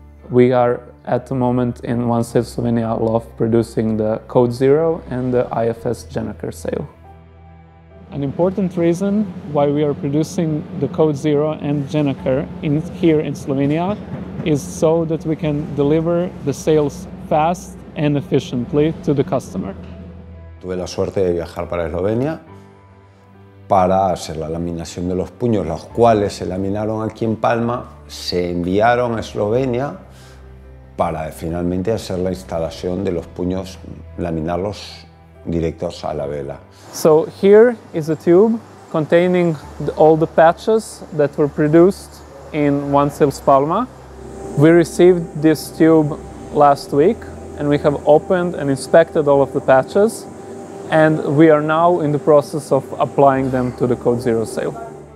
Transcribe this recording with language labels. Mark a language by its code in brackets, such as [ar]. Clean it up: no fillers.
[en] We are at the moment in OneSails Slovenia loft producing the Code0 and the IFS Gennaker sail. An important reason why we are producing the Code0 and Gennaker here in Slovenia is so that we can deliver the sails fast and efficiently to the customer. [es] Tuve la suerte de viajar para Eslovenia para hacer la laminación de los puños, los cuales se laminaron aquí en Palma, se enviaron a Eslovenia para finalmente hacer la instalación de los puños, laminarlos directos a la vela. [en] So here is a tube containing all the patches that were produced in OneSails Palma. We received this tube last week and we have opened and inspected all of the patches and we are now in the process of applying them to the Code0 sail.